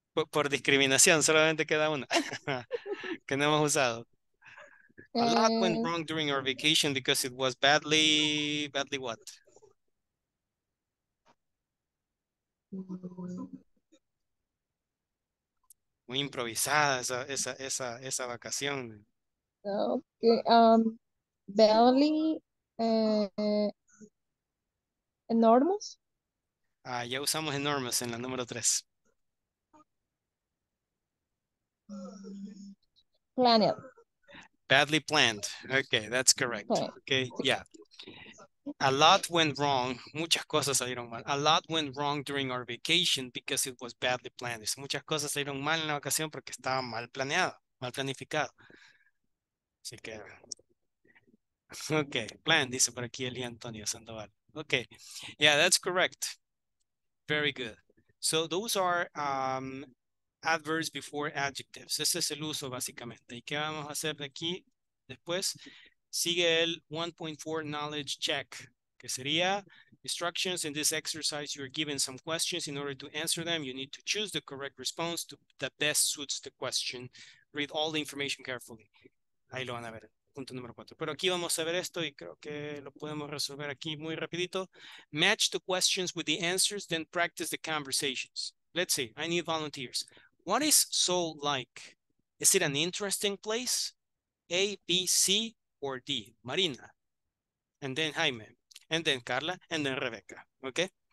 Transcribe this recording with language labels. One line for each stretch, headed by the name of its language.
Spanish: Por discriminación, solamente queda una que no hemos usado.
English: A lot went wrong during our vacation because it was badly what?
Spanish: Muy improvisada esa vacación.
English: Okay, barely enormous.
Spanish: Ah, ya usamos enormous en la número 3.
English: Planned. Badly planned. Okay, that's correct. Okay, yeah. A lot went wrong.
Spanish: Muchas cosas salieron mal.
English: A lot went wrong during our vacation because it was badly planned.
Spanish: Muchas cosas salieron mal en la vacación porque estaba mal planeado, mal planificado. Así que, okay, plan, dice por aquí Eli Antonio Sandoval.
English: Okay, yeah, that's correct. Very good. So those are adverbs before adjectives.
Spanish: Ese es el uso básicamente. ¿Y qué vamos a hacer de aquí después? Sigue el 1.4 knowledge check, que sería instructions.
English: In this exercise, you are given some questions. In order to answer them, you need to choose the correct response to that best suits the question. Read all the information carefully.
Spanish: Ahí lo van a ver, punto número 4. Pero aquí vamos a ver esto y creo que lo podemos resolver aquí muy rapidito.
English: Match the questions with the answers, then practice the conversations. Let's see, I need volunteers. What is Seoul like? Is it an interesting place? A, B, C, or D? Marina. And then Jaime. And then Carla. And then Rebecca. Okay?